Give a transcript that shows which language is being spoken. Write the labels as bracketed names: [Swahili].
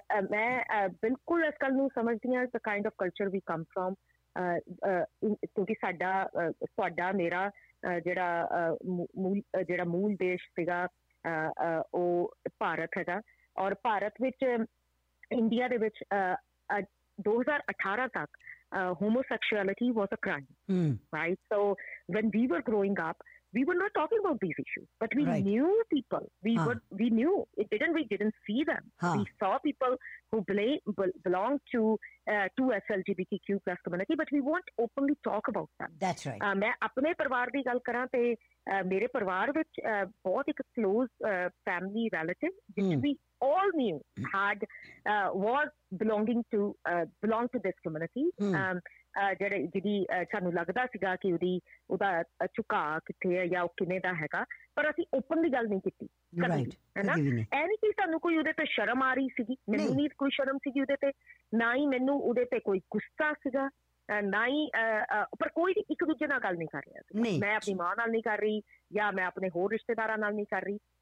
[Punjabi] ਮੈਂ ਬਿਲਕੁਲ ਇਸ ਗੱਲ ਨੂੰ ਸਮਝਦੀ ਹਾਂ, [English] the kind of culture we come from, [Punjabi] ਕਿਉਂਕਿ ਸਾਡਾ ਤੁਹਾਡਾ ਮੇਰਾ ਜਿਹੜਾ ਮੂਲ ਜਿਹੜਾ ਮੂਲ ਦੇਸ਼ ਸੀਗਾ ਉਹ ਭਾਰਤ ਹੈਗਾ, ਔਰ ਭਾਰਤ ਵਿੱਚ ਇੰਡੀਆ ਦੇ ਵਿੱਚ 2018 ਤੱਕ [English] homosexuality was a crime, right? So when we were growing up, we were not talking about these issues, but we knew people, we knew it, we didn't see them, we saw people who belong to LGBTQ plus community, but we won't openly talk about them. That's right. [Punjabi] Main apne parivar di gal karan te mere parivar vich bahut ek [English] close family relative which we all knew had was belonged to this community. [Punjabi] ਜਿਹੜੀ ਸਾਨੂੰ ਲੱਗਦਾ ਸੀਗਾ ਕਿ ਉਹਦਾ ਝੁਕਾ ਕਿੱਥੇ ਹੈ ਜਾਂ ਉਹ ਕਿਵੇਂ ਦਾ ਹੈਗਾ, ਪਰ ਅਸੀਂ ਓਪਨ ਦੀ ਗੱਲ ਨਹੀਂ ਕੀਤੀ, ਹੈਨਾ? ਇਹ ਨਹੀਂ ਕਿ ਸਾਨੂੰ ਕੋਈ ਉਹਦੇ ਤੇ ਸ਼ਰਮ ਆ ਰਹੀ ਸੀਗੀ, ਮੈਨੂੰ ਨਹੀਂ ਕੋਈ ਸ਼ਰਮ ਸੀਗੀ ਉਹਦੇ ਤੇ, ਨਾ ਹੀ ਮੈਨੂੰ ਉਹਦੇ ਤੇ ਕੋਈ ਗੁੱਸਾ ਸੀਗਾ, ਨਾ ਹੀ ਪਰ ਕੋਈ ਇੱਕ ਦੂਜੇ ਨਾਲ ਗੱਲ ਨਹੀਂ ਕਰ ਰਿਹਾ, ਮੈਂ ਆਪਣੀ ਮਾਂ ਨਾਲ ਨਹੀਂ ਕਰ ਰਹੀ ਜਾਂ ਮੈਂ ਆਪਣੇ ਹੋਰ ਰਿਸ਼ਤੇਦਾਰਾਂ ਨਾਲ ਨਹੀਂ ਕਰ ਰਹੀ।